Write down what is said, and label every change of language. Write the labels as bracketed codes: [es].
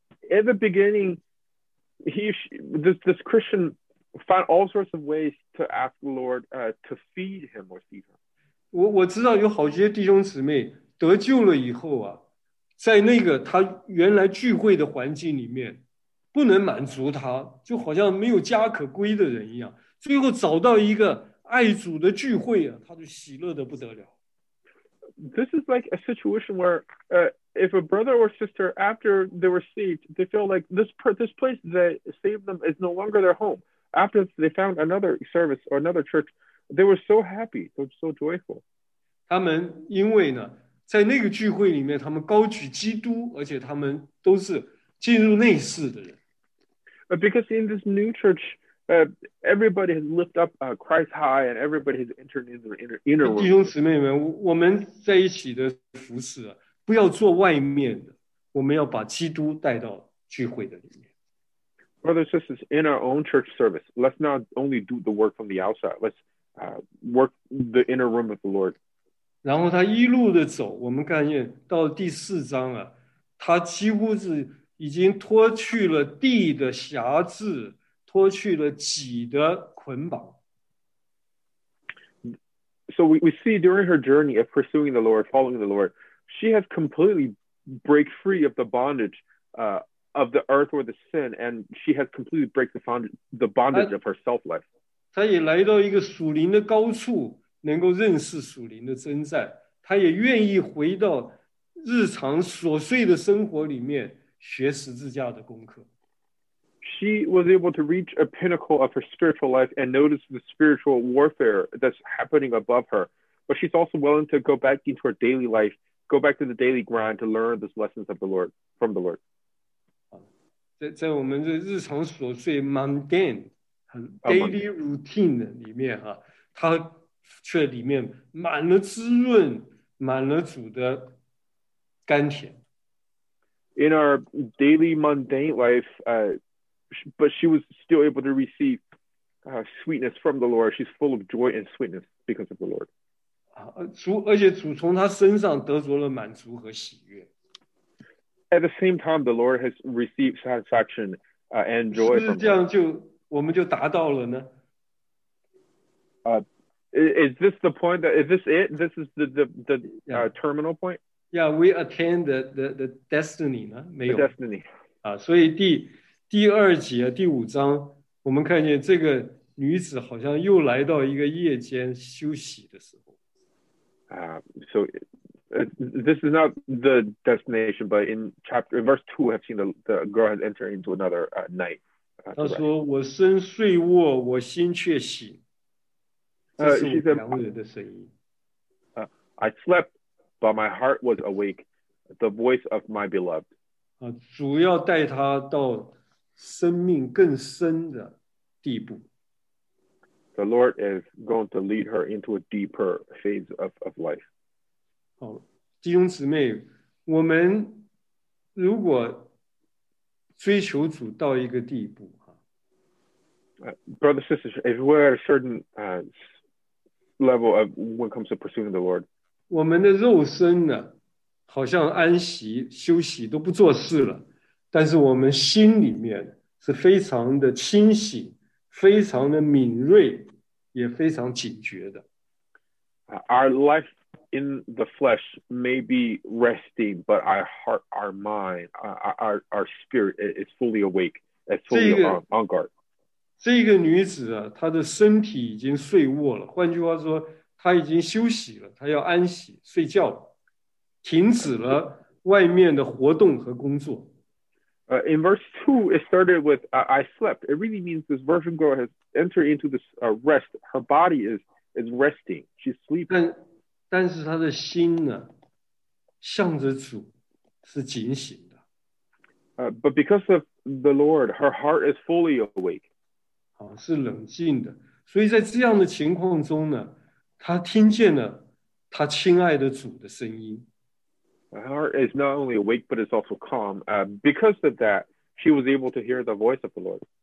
[en] At the beginning, this Christian found all sorts of ways to ask the Lord to feed him or feed her. [zh] 我知道有好些弟兄姊妹得救了以后啊，在那个他原来聚会的环境里面，不能满足他，就好像没有家可归的人一样。最后找到一个爱主的聚会啊，他就喜乐的不得了。 [en] This is like a situation where, if a brother or sister after they were saved, they feel like this place that saved them is no longer their home. After they found another service or another church, they were so happy, they were so joyful. [zh] 他们因为呢，在那个聚会里面，他们高举基督，而且他们都是进入内室的人。 [en] Because in this new church. Everybody has lifted up Christ high, and everybody has entered into the inner room. [zh] 弟兄姊妹们，我们在一起的服事啊，不要做外面的，我们要把基督带到聚会的里面。 [en] Brothers and sisters, in our own church service, let's not only do the work from the outside. Let's work the inner room of the Lord. [zh] 然后他一路的走，我们看见到第四章啊，他几乎是已经脱去了地的辖制。脱去了己的捆绑。 [en] So we see during her journey of pursuing the Lord, following the Lord, she has completely break free of the bondage of the earth or the sin, and she has completely break the bondage of her self life. [zh] 她也来到一个属灵的高处，能够认识属灵的征战。她也愿意回到日常琐碎的生活里面学十字架的功课。 [en] She was able to reach a pinnacle of her spiritual life and notice the spiritual warfare that's happening above her. But she's also willing to go back into her daily life go back to the daily grind to learn these lessons of the Lord, from the Lord. [zh] 在我们的日常琐碎 mundane 很 [en] daily routine [zh] 的里面哈，它却里面满了滋润，满了主的甘甜。 [en] In our daily mundane life, but she was still able to receive sweetness from the Lord. She's full of joy and sweetness because of the Lord. [zh] 而且主从她身上得着了满足和喜悦。 [en] At the same time, the Lord has received satisfaction and joy from her. [zh] 是不是这样就我们就达到了呢？ [en] Is this the point? Is this it? This is the terminal point? Yeah, we attain the destiny. [zh] 没有 [en] the destiny. [zh] 所以第二节第五章，我们看见这个女子好像又来到一个夜间休息的时候。 [en] So. This is not the destination, but in chapter verse 2, I've seen the girl has entered into another night. [zh] 她说，我身睡卧，我心却醒。这是我良人的声音。 [en] I slept, but my heart was awake, the voice of my beloved. [zh] 主要带她到生命更深的地步。 [en] The Lord is going to lead her into a deeper phase of life. [zh] 弟兄姊妹，我们如果追求主到一个地步 [en] Brothers and sisters, if we're at a certain level of when it comes to pursuing the Lord, [zh] 我们的肉身呢，好像安息休息都不做事了，但是我们心里面是非常的清醒，非常的敏锐，也非常警觉的。 [en] Our lifeIn the flesh may be resting, but our heart, our mind, our spirit is fully awake, is fully on guard. [zh] 这个女子啊，她的身体已经睡卧了。换句话说，她已经休息了，她要安息睡觉了，停止了外面的活动和工作。 [en] In verse 2, it started with I slept. It really means this virgin girl has entered into this rest. Her body is resting. She's sleeping. [zh] 但是他的心呢，向着主是警醒的。 [en] But because of the Lord, her heart is fully awake. [zh] 是冷静的。所以在这样的情况中呢，他听见了他亲爱的主的声音。 [en] Her heart is not only awake, but it's also calm. Because of that, she was able to hear the voice of the Lord.